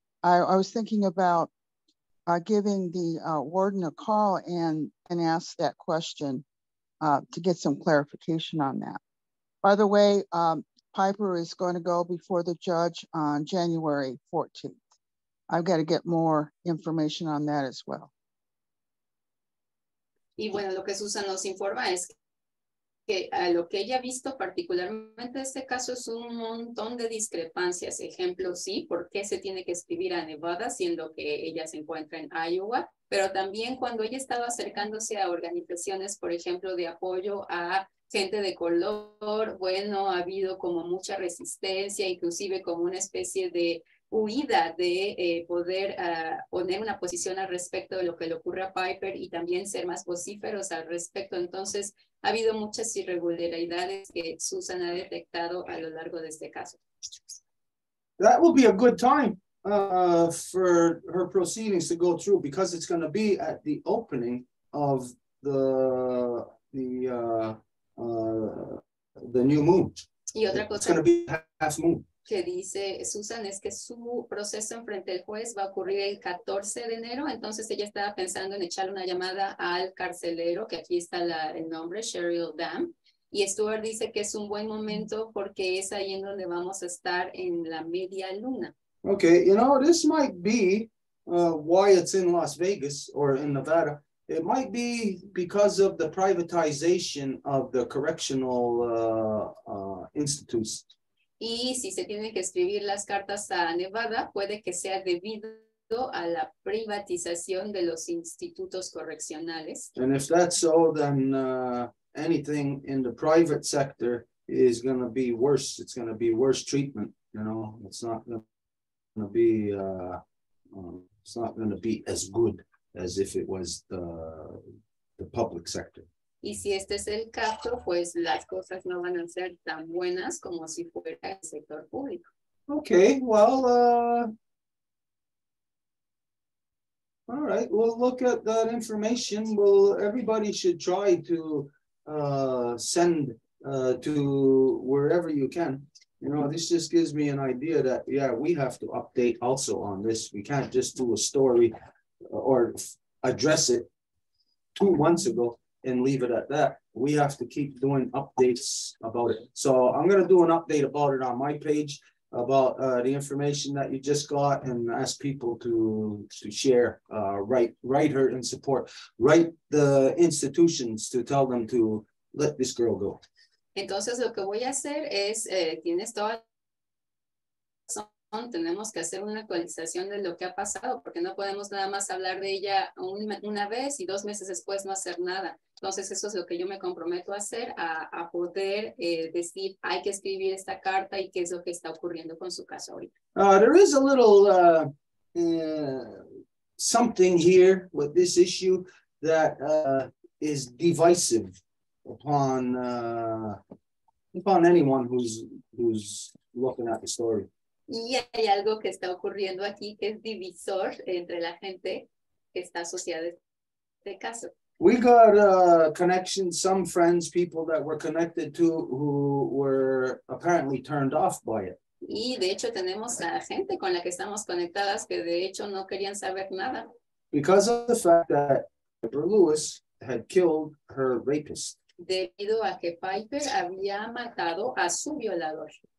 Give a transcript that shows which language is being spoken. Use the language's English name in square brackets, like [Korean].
[English] I was thinking about giving the warden a call and ask that question to get some clarification on that. By the way, Piper is going to go before the judge on January 14th. I've got to get more information on that as well. [Spanish] Y bueno, lo que Susan nos informa es que lo que ella ha visto particularmente este caso es un montón de discrepancias. Ejemplo, sí, ¿por qué se tiene que escribir a Nevada siendo que ella se encuentra en Iowa? Pero también cuando ella estaba acercándose a organizaciones, por ejemplo, de apoyo a gente de color, bueno, ha habido como mucha resistencia, inclusive como una especie de huida de poder poner una posición al respecto de lo que le ocurre a Piper y también ser más vocíferos al respecto. Entonces, ha habido muchas irregularidades que Susan ha detectado a lo largo de este caso. [English] That will be a good time for her proceedings to go through because it's going to be at the opening of the new moon. [Spanish] Y otra cosa, [English] it's going to be half moon. [Spanish] Que dice Susan es que su proceso en frente del juez va a ocurrir el 14 de enero, entonces ella estaba pensando en echar una llamada al carcelero, que aquí está el nombre, Cheryl Dam, y Stuart dice que es un buen momento porque es ahí en donde vamos a estar en la media luna. [English] Okay, you know, this might be why it's in Las Vegas or in Nevada. It might be because of the privatization of the correctional institutes. [Spanish] Y si se tienen que escribir las cartas a Nevada, puede que sea debido a la privatización de los institutos correccionales. [English] And if that's so, then anything in the private sector is going to be worse. It's going to be worse treatment. You know, it's not going to be it's not going to be as good as if it was the public sector. [Spanish] Y si este es el caso, pues las cosas no van a ser tan buenas como si fuera el sector público. [English] Okay, well, all right, we'll look at that information. Well, everybody should try to send to wherever you can. You know, this just gives me an idea that, yeah, we have to update also on this. We can't just do a story or address it 2 months ago and leave it at that. We have to keep doing updates about it. So I'm gonna do an update about it on my page about the information that you just got and ask people to share, write her in support, write the institutions to tell them to let this girl go. [Spanish] Entonces lo que voy a hacer es, tienes toda razón, tenemos que hacer una actualización de lo que ha pasado porque no podemos nada más hablar de ella una vez y 2 meses después no hacer nada. Entonces, eso es lo que yo me comprometo a hacer, a poder decir, hay que escribir esta carta y qué es lo que está ocurriendo con su caso ahorita. [English] There is a little something here with this issue that is divisive upon anyone who's looking at the story. [Spanish] Y hay algo que está ocurriendo aquí que es divisor entre la gente que está asociada a este caso. [English] We got connections, some friends, people that were connected to who were apparently turned off by it. [Spanish] Y de hecho tenemos a gente con la que estamos conectadas que de hecho no querían saber nada. [English] Because of the fact that Piper Lewis had killed her rapist. [Spanish] Debido a que Piper había matado a su violador.